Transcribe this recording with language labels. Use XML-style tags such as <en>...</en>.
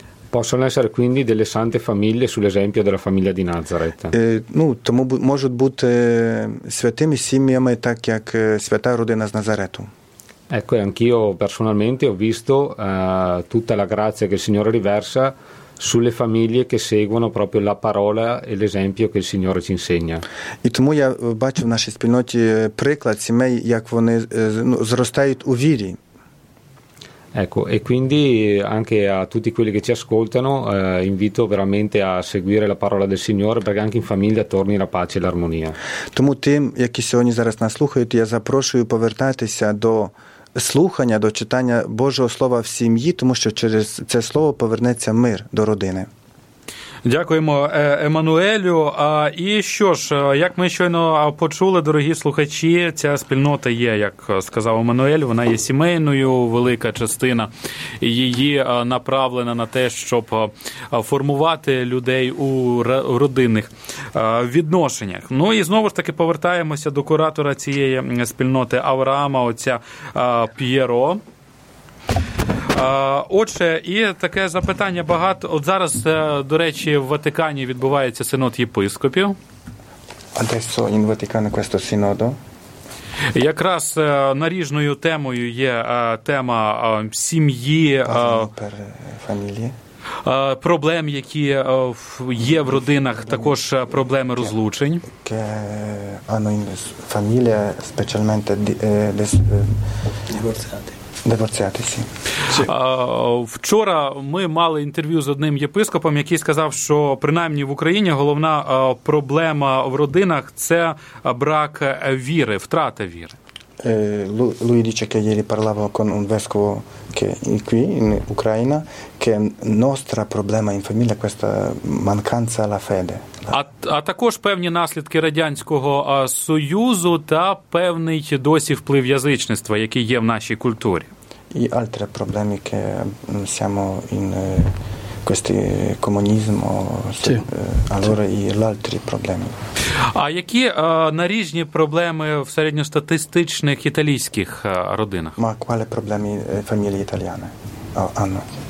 <it>Possono essere quindi delle sante famiglie sull'esempio della famiglia di Nazareth.</it> <uk>Тому можуть бути святими сім'ями, так як свята родина з Назарету.</uk> <it>Ecco, e anch'io personalmente ho visto tutta la grazia che il Signore riversa sulle famiglie che seguono proprio la parola e l'esempio che il Signore ci insegna.</it> <uk>І тому я бачу в нашій спільноті приклад сімей, як вони зростають у вірі.</uk> <it>Ecco, e quindi anche a tutti quelli che ci ascoltano invito veramente a seguire la parola del Signore, perché anche in famiglia torni la pace e l'армонія.</it> <uk>Тому тим, які сьогодні зараз нас слухають, я запрошую повертатися до слухання, до читання Божого Слова в сім'ї, тому що через це слово повернеться мир до родини. Дякуємо Еммануелю. І що ж, як ми щойно почули, дорогі слухачі, ця спільнота є, як сказав Еммануель, вона є сімейною, велика частина її направлена на те, щоб формувати людей у родинних відношеннях. Ну і знову ж таки повертаємося до куратора цієї спільноти Авраама, отця П'єро. Отже, і таке запитання багато. От зараз, до речі, в Ватикані відбувається синод єпископів.</uk> <it>Adesso in Vaticano questo sinodo.</it> <uk>Якраз наріжною темою є тема сім'ї,</uk> <it>per famiglie.</it> <uk>Проблем, які є в родинах, також проблеми розлучень.</uk> <it>Che hanno in famiglia specialmente divorziati.</it> <uk>Дивоцятися. Вчора ми мали інтерв'ю з одним єпископом, який сказав, що принаймні в Україні головна проблема в родинах – це брак віри, втрата віри.</uk> <it>Lui dice che ieri parlavo con un vescovo che qui in Ucraina che nostra problema in famiglia questa mancanza la fede.</it> <uk>А також певні наслідки Радянського Союзу та певний досі вплив язичництва, який є в нашій культурі.</uk> <it>І altre problemi che siamo in questo comunismo, sì. Allora sì. E gli altri problemi.</it> <uk>А які наріжні проблеми в середньостатистичних італійських родинах?</uk> <it>Ma quali problemi famiglie italiane hanno?</it>